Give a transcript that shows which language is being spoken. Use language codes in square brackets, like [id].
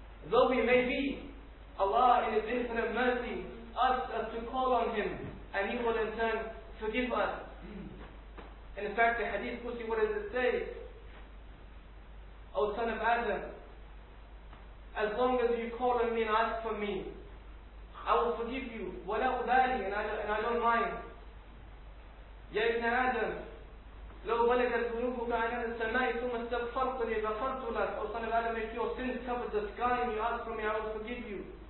[en] Though we may be, Allah in His infinite mercy asks us to call on Him, and He will in turn forgive us. In fact, the hadith Qudsi, what does it say? O son of Adam, as long as you call on me and ask for me, I will forgive you, [ar] wala ubali, [en] and I don't mind. [ar] Ya ibn Adam, لو بلغت ذنوبك عن السماء ثم استغفرتني غفرت لك. [en] O son of Adam, if your sins cover the sky and you ask for me, I will forgive you.